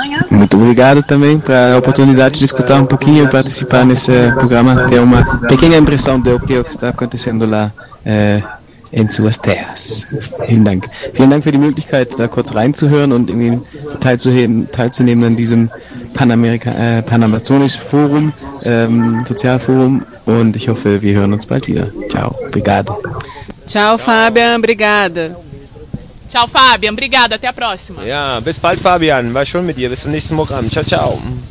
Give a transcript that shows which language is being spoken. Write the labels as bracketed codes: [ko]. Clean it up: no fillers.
[pt] Muito obrigado também para a oportunidade de escutar um pouquinho e participar nesse programa, ter uma pequena impressão do que está acontecendo lá em suas terras. [de] Vielen Dank. Vielen Dank für die Möglichkeit, da kurz reinzuhören und irgendwie teilzunehmen an diesem Panamazonischen Forum, Sozialforum. Und ich hoffe, wir hören uns bald wieder. [pt] Ciao. Obrigado. Ciao, Fabian. Obrigada. Tchau, Fabian. Obrigada. Até a próxima. [de] Ja, bis bald, Fabian. War schön mit dir. Bis zum nächsten Programm. Ciao, ciao.